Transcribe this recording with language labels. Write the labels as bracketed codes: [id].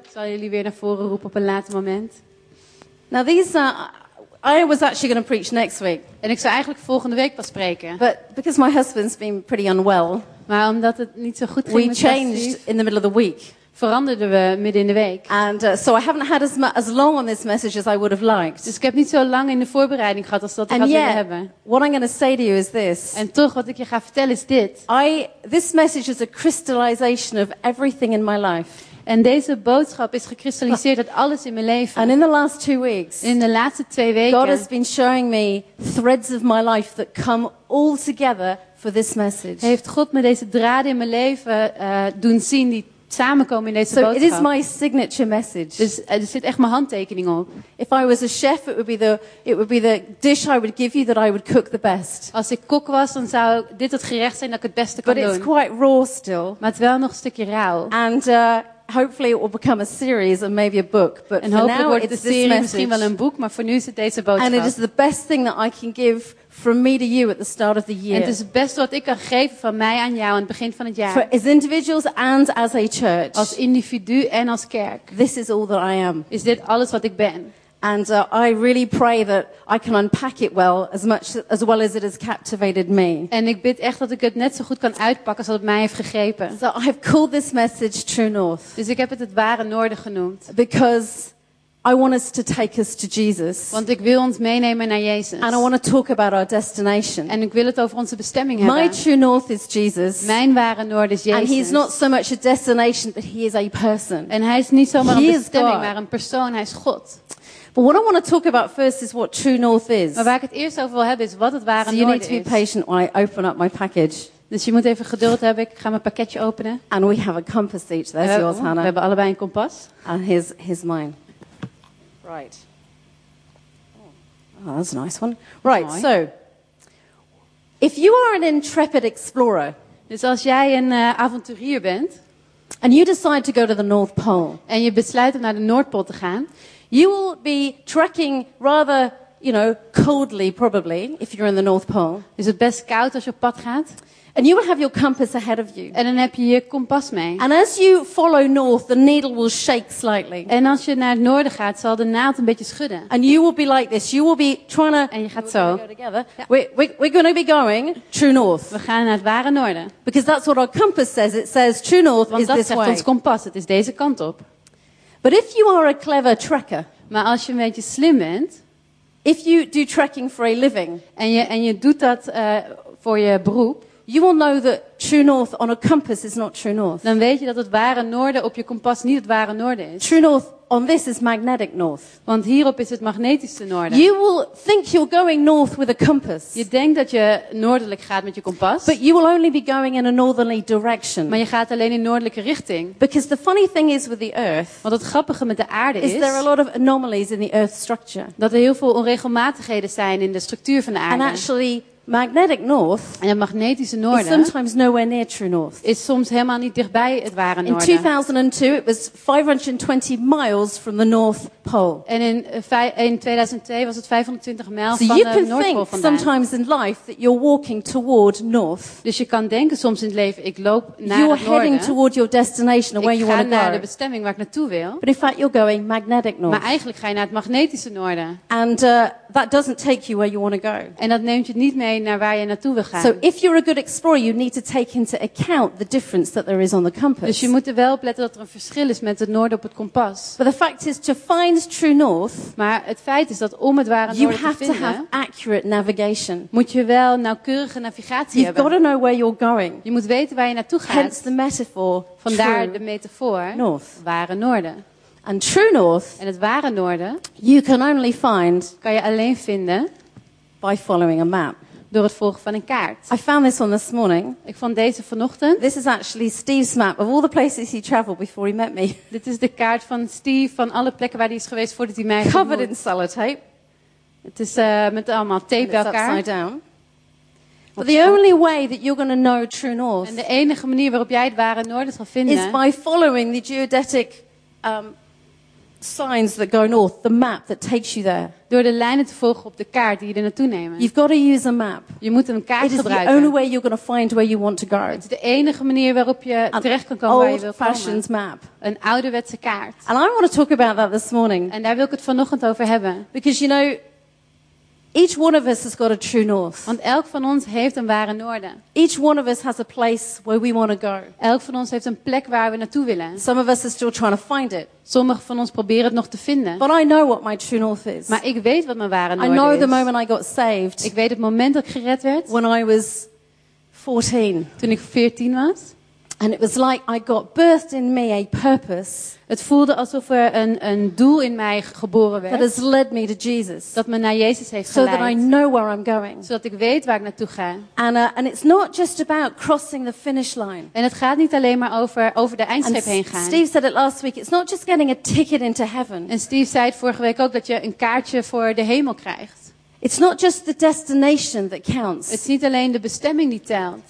[nl] Ik zal jullie weer naar voren roepen op een later moment. [en] Now these are, I was actually going to preach next week. [nl] En ik zou eigenlijk volgende week pas spreken. [en] But because my husband's been pretty unwell. [nl] Maar omdat het niet zo goed ging [en] met changed Steve, in the middle of the week. [nl] Veranderden we midden in de week. [en] And so I haven't had as long on this message as I would have liked. [nl] Dus ik heb niet zo lang in de voorbereiding gehad als dat ik [en] and [nl] had [en] yet, [nl] willen hebben. [en] What I'm going to say to you is this. [nl] En toch wat ik je ga vertellen is dit. [en] This message is a crystallization of everything in my life. [nl] En deze boodschap is gekristalliseerd uit alles in mijn leven. [en] And in the last 2 weeks. [nl] In de laatste 2 weken. [en] God has been showing me threads of my life that come all together for this message. [nl] Heeft God me deze draden in mijn leven doen zien die samenkomen in deze [en] so [nl] boodschap. [en] It is my signature message. [nl] Dus er zit echt mijn handtekening op. [en] If I was a chef, it would be the dish I would give you that I would cook the best. [nl] Als ik kok was, dan zou dit het gerecht zijn dat ik het beste [en] but [nl] kan doen. [en] But it's quite raw still. [nl] Maar het wel nog een stukje rauw. [en] And hopefully it will become a series and maybe a book. But [nl] en [en] for [nl] hopelijk [en] now, [nl] wordt [en] it's [nl] de serie [en] message. [nl] Misschien wel een boek, maar voor nu is het deze boodschap. [en] And it is the best thing that I can give from me to you at the start of the year. [nl] En het is het beste wat ik kan geven van mij aan jou aan het begin van het jaar. [en] For as individuals and as a church. [nl] Als individu en als kerk. [en] This is all that I am. [nl] Is dit alles wat ik ben? [en] And I really pray that I can unpack it well as well as it has captivated me. [nl] En ik bid echt dat ik het net zo goed kan uitpakken als dat het mij heeft gegrepen. [en] So I have called this message True North. [nl] Dus ik heb het ware noorden genoemd. [en] Because I want us to take us to Jesus. [nl] Want ik wil ons meenemen naar Jezus. [en] And I want to talk about our destination. [nl] En ik wil het over onze bestemming hebben. [en] My true north is Jesus. [nl] Mijn ware noord is Jezus. [en] And he's not so much a destination, but he is a person. [nl] En hij is niet zomaar een bestemming, maar een persoon. Hij is God. [en] But what I want to talk about first is what true north is. [nl] Maar waar ik het eerst over wil hebben is wat het ware noord is. [en] So you need to be patient while I open up my package. [nl] Dus je moet even geduld hebben. Ik ga mijn pakketje openen. [en] And we have a compass each. There's yours, Hannah. [nl] We hebben allebei een kompas. [en] And here's mine. Right. Oh, that's a nice one. Right, mooi. So if you are an intrepid explorer, [nl] dus als jij een avonturier bent, [en] and you decide to go to the North Pole, [nl] en je besluit om naar de Noordpool te gaan, [en] you will be trekking rather, you know, coldly probably if you're in the North Pole. [nl] Is het best koud als je op pad gaat? [en] And you will have your compass ahead of you. [nl] En dan heb je je kompas mee. [en] And as you follow north, the needle will shake slightly. [nl] En als je naar het noorden gaat, zal de naald een beetje schudden. [en] And you will be like this. You will be trying to. [nl] En je gaat [en] we're [nl] zo. [en] Gonna go together. We're going to be going true north. [nl] We gaan naar het ware noorden. [en] Because that's what our compass says. It says true north [nl] want [en] is this way. [nl] Want dat zegt ons kompas. Het is deze kant op. [en] But if you are a clever trekker. [nl] Maar als je een beetje slim bent. [en] If you do trekking for a living. [nl] En je doet dat voor je beroep. [en] You will know that true north on a compass is not true north. [nl] Dan weet je dat het ware noorden op je kompas niet het ware noorden is. [en] True north on this is magnetic north. [nl] Want hierop is het magnetische noorden. [en] You will think you're going north with a compass. [nl] Je denkt dat je noordelijk gaat met je kompas. [en] But you will only be going in a northerly direction. [nl] Maar je gaat alleen in noordelijke richting. [en] Because the funny thing is with the earth. [nl] Want het grappige met de aarde is. [en] Is there a lot of anomalies in the earth's structure. [nl] Dat er heel veel onregelmatigheden zijn in de structuur van de aarde. [en] And actually magnetic north [nl] en het magnetische noorden [en] is sometimes nowhere near true north. [nl] Is soms helemaal niet dichtbij het ware noorden. [en] In 2002 it was 520 miles from the North Pole. [nl] En in 2002 was het 520 mijl [en] so [nl] van de Noordpool vandaan. [en] So you can think sometimes in life that you're walking toward north. [nl] Dus je kan denken soms in het leven ik loop naar [en] you're [nl] het noorden. [en] You're heading toward your destination or where you want to go. [nl] Ik ga naar de bestemming waar ik naartoe wil. [en] But in fact you're going magnetic north. [nl] Maar eigenlijk ga je naar het magnetische noorden. [en] And that doesn't take you where you want to go. [nl] En dat neemt je niet mee naar waar je naartoe wil gaan. [en] So if you're a good explorer, you need to take into account the difference that there is on the compass. [nl] Dus je moet er wel op letten dat er een verschil is met het noorden op het kompas. [en] But the fact is to find true north, [nl] maar het feit is dat om het ware noorden [en] you [nl] te [en] have [nl] vinden, [en] to have accurate navigation. [nl] Moet je wel nauwkeurige navigatie [en] you've [nl] hebben. [en] You've got to know where you're going. [nl] Je moet weten waar je naartoe gaat. [en] Hence the metaphor. [nl] Vandaar [en] true [nl] de metafoor. [en] North. [nl] Ware noorden. [en] And true north. [nl] En het ware noorden. [en] You can only find. [nl] Kan je alleen vinden. [en] By following a map. [nl] Door het volgen van een kaart. [en] I found this one this morning. [nl] Ik vond deze vanochtend. [en] This is actually Steve's map of all the places he traveled before he met me. [nl] Dit is de kaart van Steve van alle plekken waar hij is geweest voordat hij mij ontmoet. [en] Covered in sellotape. [nl] Het is met allemaal tape bij elkaar. [en] Upside down. But the only way that you're going to know true north. [nl] En de enige manier waarop jij het ware noorden zal vinden [en] is by following the geodetic signs that go north, the map that takes you there. [nl] Door de lijnen te volgen op de kaart die je er naartoe neemt. [en] You've got to use a map. [nl] Je moet een kaart gebruiken. [en] It is the only way you're going to find where you want to go. [nl] Het is de enige manier waarop je terecht kan komen waar je wil komen. [en] Old-fashioned map. [nl] Een ouderwetse kaart. [en] And I want to talk about that this morning. [nl] En daar wil ik het vanochtend over hebben. [en] Because you know, each one of us has got a true north. [nl] Want elk van ons heeft een ware noorden. [en] Each one of us has a place where we want to go. [nl] Elk van ons heeft een plek waar we naartoe willen. [en] Some of us are still trying to find it. [nl] Sommige van ons proberen het nog te vinden. [en] But I know what my true north is. [nl] Maar ik weet wat mijn ware noorden [en] is. I know [nl] is. [en] The moment I got saved. [nl] Ik weet het moment dat ik gered werd. [en] When I was 14. [nl] Toen ik 14 was. [en] And it was like I got birthed in me a purpose. [nl] Het voelde alsof er een doel in mij geboren werd. [en] That has led me to Jesus. [nl] Dat me naar Jezus heeft geleid. [en] So that I know where I'm going. [nl] Zodat ik weet waar ik naartoe ga. [en] And it's not just about crossing the finish line. [nl] En het gaat niet alleen maar over de eindstreep heen gaan. [en] Steve said it last week. It's not just getting a ticket into heaven. [nl] En Steve zei het vorige week ook dat je een kaartje voor de hemel krijgt. [en] It's not just the destination that counts. [nl] Het is niet alleen de bestemming die telt.